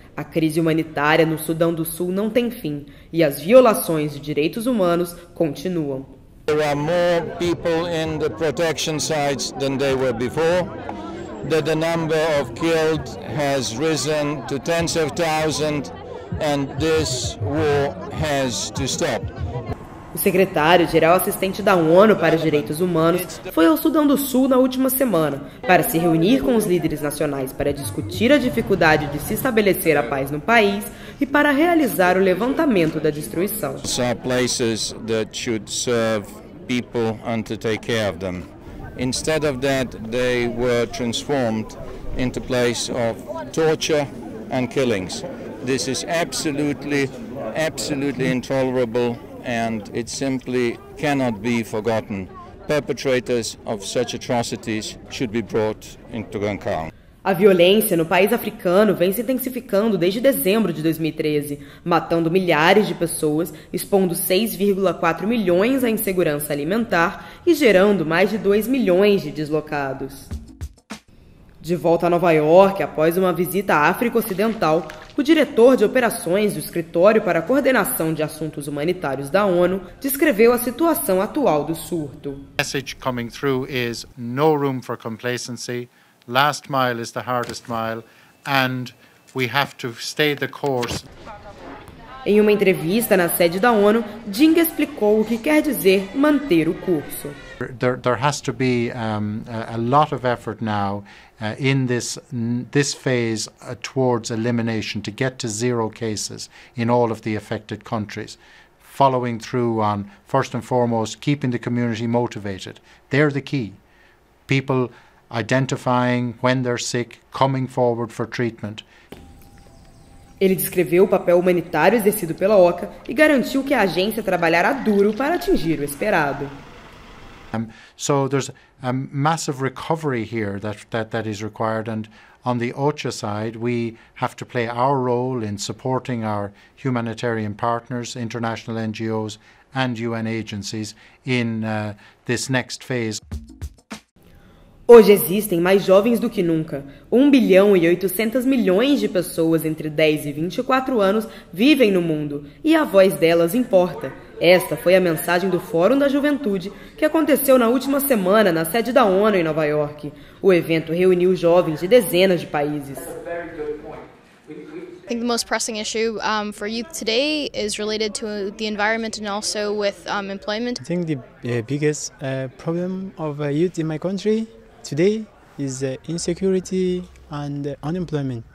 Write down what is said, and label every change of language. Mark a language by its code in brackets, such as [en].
[pt] A crise humanitária no Sudão do Sul não tem fim e as violações de direitos humanos continuam. [en] There are more people in the protection sites than there were before. The number of killed has risen to tens of thousands and this war has to stop. [pt] O secretário-geral assistente da ONU para os Direitos Humanos foi ao Sudão do Sul na última semana para se reunir com os líderes nacionais para discutir a dificuldade de se estabelecer a paz no país e para realizar o levantamento da destruição. São lugares que deveriam servir as pessoas e cuidar delas. Em vez disso, eles foram transformados em lugares de tortura e killings. Isso é absolutamente intolerável. [en] And it simply cannot be forgotten. Perpetrators of such atrocities should be brought into account. [pt] A violência no país africano vem se intensificando desde dezembro de 2013, matando milhares de pessoas, expondo 6,4 milhões à insegurança alimentar e gerando mais de 2 milhões de deslocados. De volta a Nova York, após uma visita à África Ocidental, o diretor de operações do Escritório para a Coordenação de Assuntos Humanitários da ONU descreveu a situação atual do surto. [en] A message coming through is no room for complacency. Last mile is the hardest mile and we have to stay the course. [pt] Em uma entrevista na sede da ONU, Ding explicou o que quer dizer manter o curso. [en] There has to be a lot of effort now in this phase towards elimination, to get to zero cases in all of the affected countries. Following through on, first and foremost, keeping the community motivated. They're the key. People identifying when they're sick, coming forward for treatment. [pt] Ele descreveu o papel humanitário exercido pela OCA e garantiu que a agência trabalhará duro para atingir o esperado. [en] So there's a massive recovery here that is required, and on the OCHA side, we have to play our role in supporting our humanitarian partners, international NGOs and UN agencies in this next phase. [pt] Hoje existem mais jovens do que nunca. 1 bilhão e 800 milhões de pessoas entre 10 e 24 anos vivem no mundo e a voz delas importa. Esta foi a mensagem do Fórum da Juventude que aconteceu na última semana na sede da ONU em Nova York. O evento reuniu jovens de dezenas de países. [en] I think the most pressing issue for youth today is related to the environment and also with employment. I think the biggest problem of youth in my country today is insecurity and unemployment.